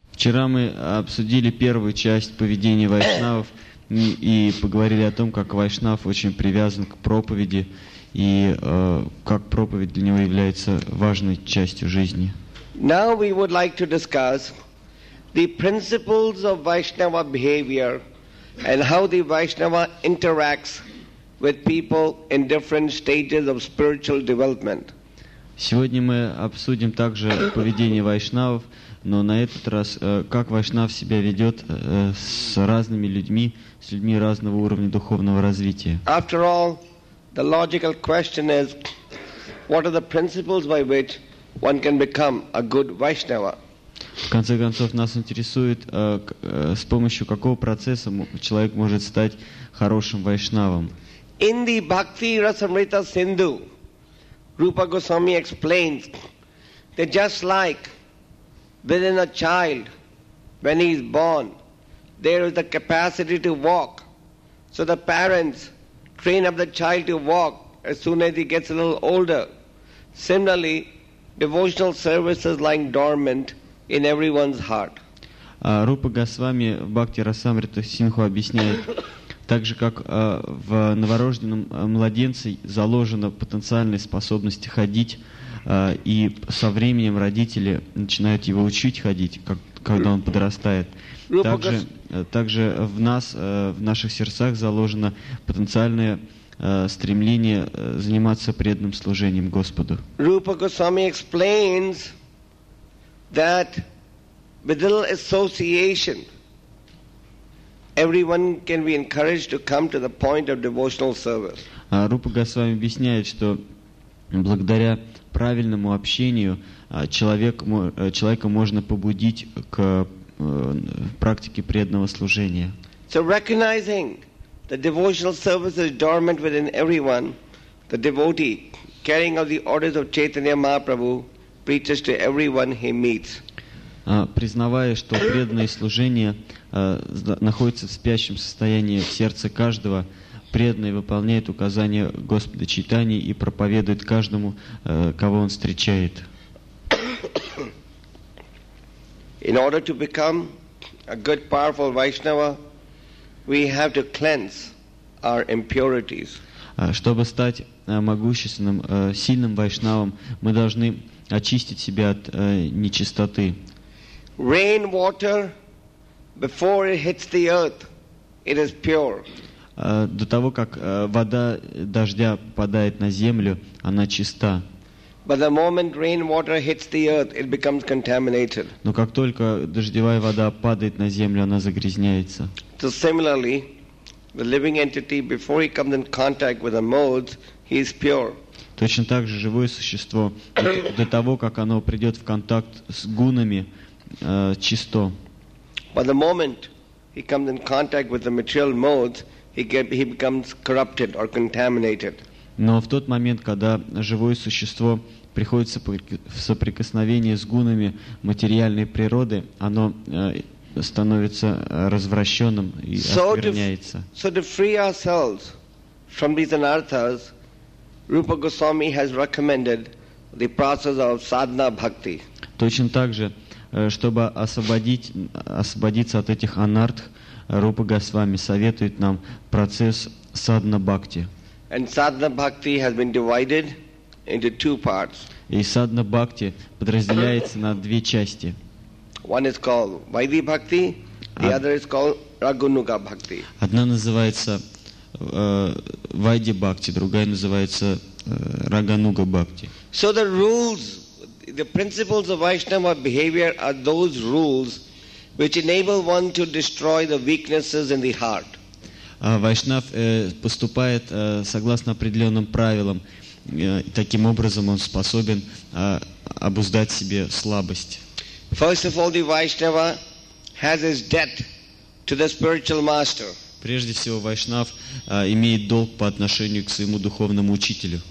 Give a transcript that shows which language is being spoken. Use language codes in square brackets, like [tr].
[ru] Вчера мы обсудили первую часть поведения вайшнавов и поговорили о том, как вайшнав очень привязан к проповеди и как проповедь для него является важной частью жизни. [en] Now we would like to discuss the principles of Vaishnava behavior and how the Vaishnava interacts with people in different stages of spiritual development. [ru] Сегодня мы обсудим также поведение вайшнавов, но на этот раз как вайшнав себя ведет с разными людьми, с людьми разного уровня духовного развития. [en] After all, the logical question is, what are the principles by which one can become a good Vaishnava? [ru] В конце концов, нас интересует, с помощью какого процесса человек может стать хорошим вайшнавом. [en] In the Bhakti Rasamrita Sindhu, Rupa Goswami explains that just like within a child, when he is born, there is the capacity to walk. So the parents train up the child to walk as soon as he gets a little older. Similarly, devotional service is lying dormant in everyone's heart. [ru] Rupa Goswami в Бхакти Расамрита Синху объясняет, так же, как в новорожденном младенце заложена потенциальная способность ходить, и со временем родители начинают его учить ходить, когда он подрастает. Также в нас, в наших сердцах заложено потенциальное стремление заниматься преданным служением Господу. [en] Rupa Goswami explains that with little association, everyone can be encouraged to come to the point of devotional service. [ru] Rupa Goswami объясняет, что благодаря правильному общению человека можно побудить к практике преданного служения. [en] So recognizing that devotional service is dormant within everyone, the devotee, carrying out the orders of Chaitanya Mahaprabhu, preaches to everyone he meets. [ru] Признавая, что преданное служение находится в спящем состоянии в сердце каждого, преданный выполняет указания Господа Чайтаньи и проповедует каждому, кого он встречает. [en] In order to become a good, powerful Vaishnava, we have to cleanse our impurities. [ru] Чтобы стать могущественным, сильным вайшнавом, мы должны очистить себя от нечистоты. [en] Rain water, before it hits the earth, it is pure. [ru] До того, как вода дождя попадает на землю, она чиста. [en] But the moment rain water hits the earth, it becomes contaminated. [ru] Но как только дождевая вода падает на землю, она загрязняется. [en] So similarly, the living entity, before he comes in contact with the modes, he is pure. [ru] Точно так же живое существо, до того, как оно придет в контакт с гунами, чисто. [en] But the moment he comes in contact with the material modes, he becomes corrupted or contaminated. [ru] Но в тот момент, когда живое существо приходит в соприкосновение с гунами материальной природы, оно становится развращенным и оскверняется. [en] So to free ourselves from these anarthas, Rupa Goswami has recommended the process of sadhana bhakti. [ru] Точно так же, чтобы освободиться от этих анартх, Рупа Госвами советует нам процесс садна-бхакти. [en] And садна-бхакти has been divided into two parts. [ru] И садна-бхакти подразделяется на две части. [en] One is called Vaidhi-бхакти, the other is called Рагунуга-бхакти. [ru] Одна называется Вайди-бхакти, другая называется Рагануга-бхакти. [en] So the rules, the principles of Vaishnava behavior are those rules which enable one to destroy the weaknesses in the heart. [ru] Вайшнав поступает согласно определенным правилам. Таким образом, он способен обуздать себе слабость. [en] First of all, the Vaishnava has his debt to the spiritual master. [ru] Прежде всего, Вайшнав имеет долг по отношению к своему духовному учителю.